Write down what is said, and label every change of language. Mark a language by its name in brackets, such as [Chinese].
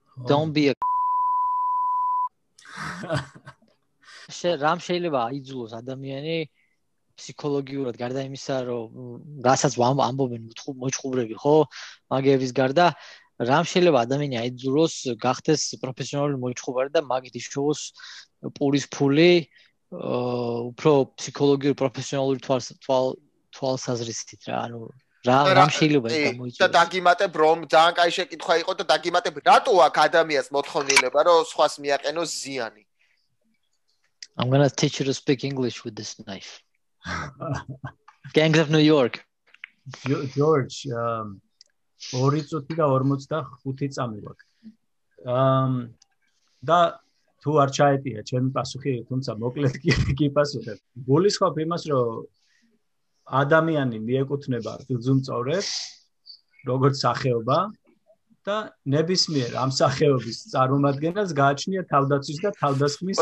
[English] Don't be a [Georgian] რამ შეიძლება აიძულოს ადამიანი ფსიქოლოგიურად გარდა იმისა რომ გასაც ამბობენ მოჭუბრები ხო მაგების გარდა რამ შეიძლება ადამიანი აიძულოს გახდეს პროფესიონალური მოჭუბარი და მაგით შოუს პურის ფული უფრო ფსიქოლოგიურ პროფესიონალურ თვალსაზრისით რა ანუ რამ შეიძლება ეს გამოიწვიოს და დაგიმატებ რომ ძალიან კაი შეკითხვა იყო და დაგიმატებ რატო აქ ადამიანს მოთხოვნილება რომ სხვას მიაყენოს ზიანი [English] I'm going to teach you to speak English with this knife Gangs of New York. [Georgian] George, 2 წუთი და 45 წამი ვარ. და თუ არ ჩაეტია ჩემი პასუხი, თუმცა მოკლედ კი პასუხებ. გულისხმობ იმას, რომ ადამიანი მიეკუთვნება ძუმწოვრებს, როგორც სახეობა და ნებისმიერ ამ სახეობის წარმომადგენელს გააჩნია თავდაცვის და თავდასხმის.